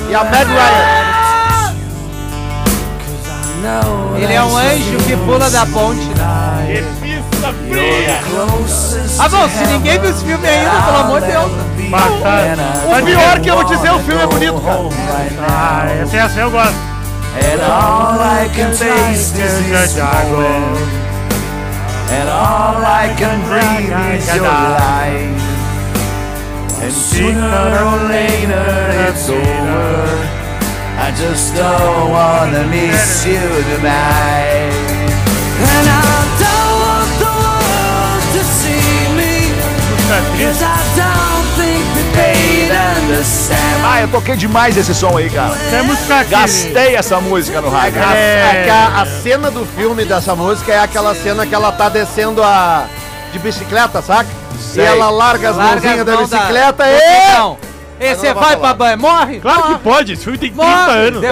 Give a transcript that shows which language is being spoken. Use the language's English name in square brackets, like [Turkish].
[Portuguese] E a Meg Ryan. Ele é um anjo que pula da ponte. Ah, bom, se ninguém viu esse filme ainda, pelo amor de Deus. Mas pior que eu vou dizer, o filme é bonito, cara. Ah, esse é assim, eu gosto. [English] And all I can taste is your jargon. And all I can breathe is your life. And sooner or later it's over. I just don't wanna miss you tonight. And I don't want the world to see me. Cause I don't think that they'd understand. [Portuguese] Ah, eu toquei demais esse som aí, cara. Temos que... Gastei essa música no rádio. A cena do filme dessa música é aquela cena que ela tá descendo a... de bicicleta, saca? Sei. E ela larga as mãozinhas da bicicleta da... e... Não. E você vai pra banho, morre? Claro que pode, esse filme tem 30 anos.